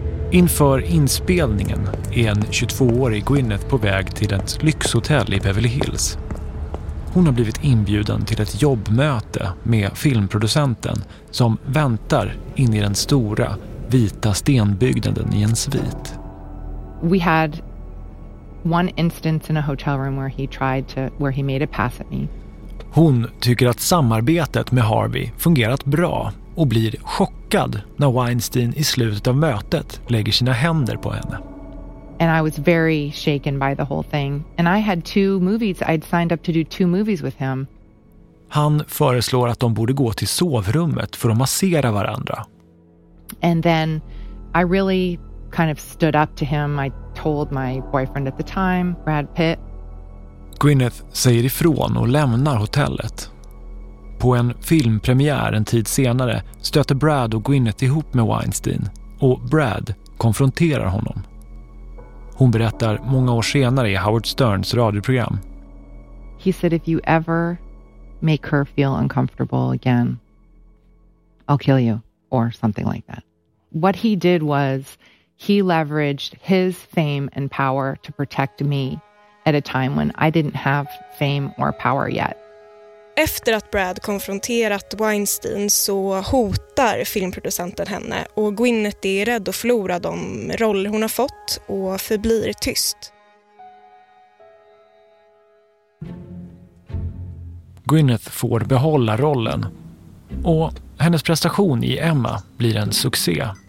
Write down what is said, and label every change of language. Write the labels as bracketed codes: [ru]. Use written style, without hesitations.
[sv] Inför inspelningen är en 22-årig Gwyneth på väg till ett lyxhotell i Beverly Hills. hon har blivit inbjuden till ett jobbmöte med filmproducenten som väntar in i den stora vita stenbyggnaden i en svit. [en] We had one instance in a hotel room where he tried to where he made a pass at me. [sv] Hon tycker att samarbetet med Harvey fungerat bra och blir chockad när Weinstein i slutet av mötet lägger sina händer på henne. [en] And I was very shaken by the whole thing. And I had two movies. I'd signed up to do two movies with him. [sv] Han föreslår att de borde gå till sovrummet för att massera varandra. [en] And then I really kind of stood up to him. I told my boyfriend at the time, Brad Pitt. [sv] Gwyneth säger ifrån och lämnar hotellet. På en filmpremiär en tid senare stöter Brad och Gwyneth ihop med Weinstein och Brad konfronterar honom. Hon berättar många år senare i Howard Sterns radioprogram. [en] He said if you ever make her feel uncomfortable again, I'll kill you or something like that. What he did was he leveraged his fame and power to protect me. At a time when I didn't have fame or power yet. [sv] Efter att Brad konfronterat Weinstein så hotar filmproducenten henne och Gwyneth är rädd att förlora de roller hon har fått och förblir tyst. Gwyneth får behålla rollen och hennes prestation i Emma blir en succé.